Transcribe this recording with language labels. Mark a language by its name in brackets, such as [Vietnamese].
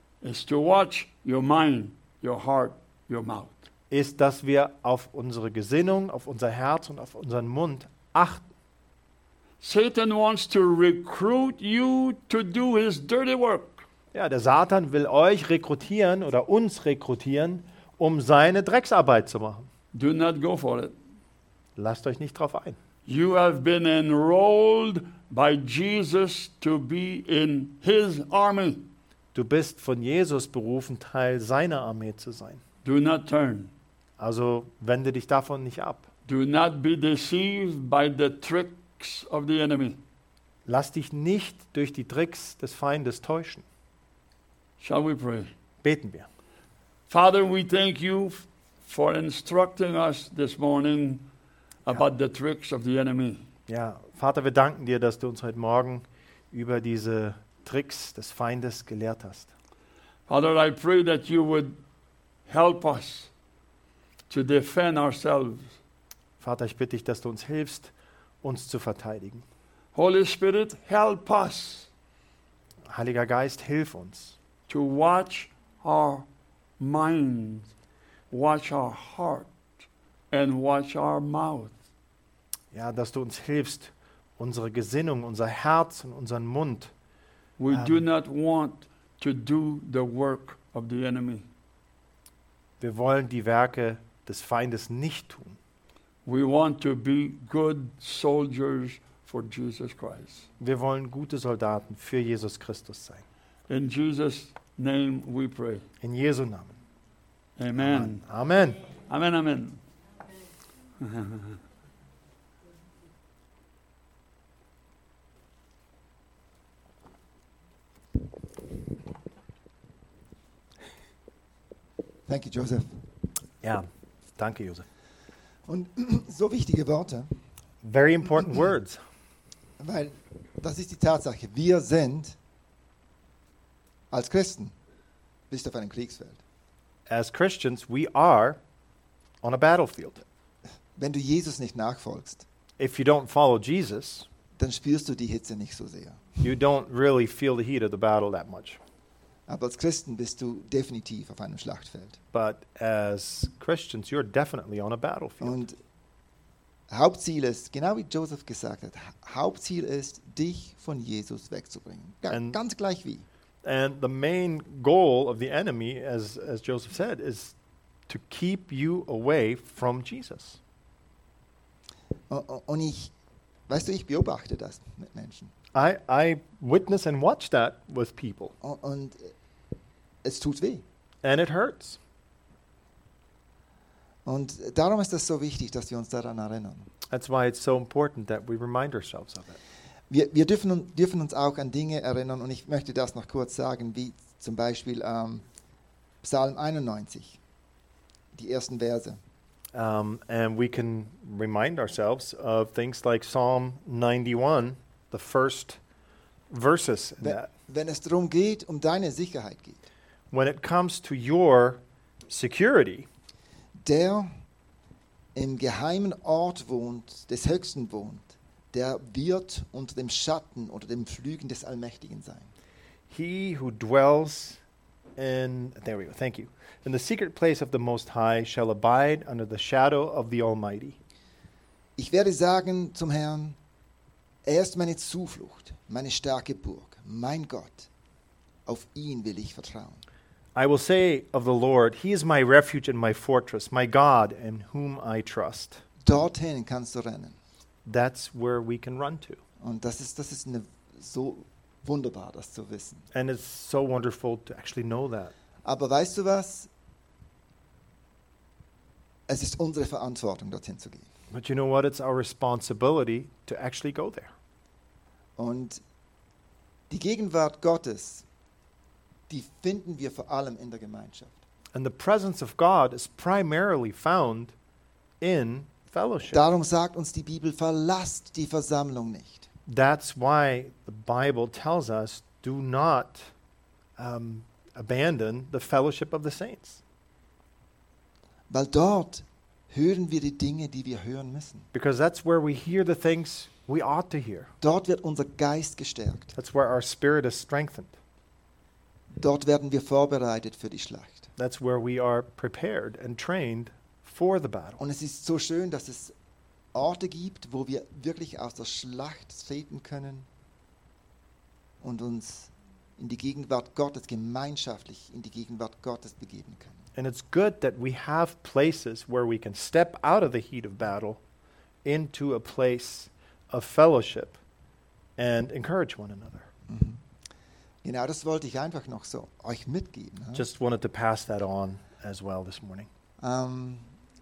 [English] is to watch your mind, your heart, your mouth. [German] Ist, dass wir auf unsere Gesinnung, auf unser Herz und auf unseren Mund achten. [English] Satan wants to recruit you to do his dirty work. [German] Ja, der Satan will euch rekrutieren oder uns rekrutieren, um seine Drecksarbeit zu machen. [English] Do not go for it. [German] Lasst euch nicht drauf ein. [English] You have been enrolled by Jesus to be in his army. [German] Du bist von Jesus berufen, Teil seiner Armee zu sein. [English] Do not turn. [German] Also wende dich davon nicht ab. [English] Do not be deceived by the tricks of the enemy. [German] Lass dich nicht durch die Tricks des Feindes täuschen. [English] Shall we pray? [German] Beten wir. [English] Father, we thank you for instructing us this morning about the tricks of the enemy. [German] Ja, Vater, wir danken dir, dass du uns heute Morgen über diese Tricks des Feindes gelehrt hast. [English] Father, I pray that you would help us to defend ourselves. [German] Vater, ich bitte dich, dass du uns hilfst, uns zu verteidigen. [English] Holy Spirit, help us. [German] Heiliger Geist, hilf uns. [English] To watch our minds, watch our heart, and watch our mouth. [German] Ja, dass du uns hilfst, unsere Gesinnung, unser Herz und unseren Mund. [English] We do not want to do the work of the enemy. [German] Wir wollen die Werke des Feindes nicht tun. [English] We want to be good soldiers for Jesus Christ. [German] Wir wollen gute Soldaten für Jesus Christus sein. [English] In Jesus' name we pray. [German] In Jesu Namen. [English] Amen. [German] Amen. [English] Amen. Amen. Amen. Thank you, Joseph. [German] Ja, danke, Joseph. Und so wichtige Worte. [English] Very important words. [German] Weil das ist die Tatsache. Wir sind als Christen bist auf einem Kriegsfeld. [English] As Christians, we are on a battlefield. [German] Wenn du Jesus nicht nachfolgst, [English] if you don't follow Jesus, [German] dann spürst du die Hitze nicht so sehr. [English] You don't really feel the heat of the battle that much. [German] Aber als Christen bist du definitiv auf einem Schlachtfeld. [English] But as Christians, you're definitely on a battlefield. [German] Und Hauptziel ist, genau wie Joseph gesagt hat, Hauptziel ist, dich von Jesus wegzubringen. Ganz gleich wie. [English] And the main goal of the enemy, as Joseph said, is to keep you away from Jesus. [German] Und ich, weißt du, ich beobachte das mit Menschen. [English] I witness and watch that with people. [German] Und es tut weh. [English] And it hurts. [German] Und darum ist das so wichtig, dass wir uns daran erinnern. [English] That's why it's so important that we remind ourselves of it. [German] Wir dürfen uns auch an Dinge erinnern, und ich möchte das noch kurz sagen, wie zum Beispiel Psalm 91, die ersten Verse. [English] And we can remind ourselves of things like Psalm 91, the first verses. [German] Wenn es darum geht, um deine Sicherheit geht. [English] When it comes to your security. [German] Der im geheimen Ort wohnt, des Höchsten wohnt. Der wird unter dem Schatten oder dem Flügen des Allmächtigen sein. [English] He who dwells in, there we go, thank you, in the secret place of the Most High shall abide under the shadow of the Almighty. [German] Ich werde sagen zum Herrn, er ist meine Zuflucht, meine starke Burg, mein Gott, auf ihn will ich vertrauen. [English] I will say of the Lord, he is my refuge and my fortress, my God in whom I trust. [German] Dorthin kannst du rennen. [English] That's where we can run to. [German] Und das ist eine, so wunderbar, das zu wissen. [English] And it's so wonderful to actually know that. [German] Aber weißt du was? Es ist unsere Verantwortung, dorthin zu gehen. [English] But you know what? It's our responsibility to actually go there. [German] Und die Gegenwart Gottes, die finden wir vor allem in der Gemeinschaft. [English] And the presence of God is primarily found in fellowship. [German] Darum sagt uns die Bibel, verlasst die Versammlung nicht. [English] That's why the Bible tells us, do not abandon the fellowship of the saints. [German] Weil dort hören wir die Dinge, die wir hören müssen. [English] Because that's where we hear the things we ought to hear. [German] Dort wird unser Geist gestärkt. [English] That's where our spirit is strengthened. [German] Dort werden wir vorbereitet für die Schlacht. [English] That's where we are prepared and trained for the battle. [German] Und es ist so schön, dass es Orte gibt, wo wir wirklich aus der Schlacht treten können und uns in die Gegenwart Gottes, gemeinschaftlich in die Gegenwart Gottes begeben können. [English] And it's good that we have places where we can step out of the heat of battle into a place of fellowship and encourage one another. Mm-hmm. [German] Genau, das wollte ich einfach noch so euch mitgeben. [English] Just wanted to pass that on as well this morning.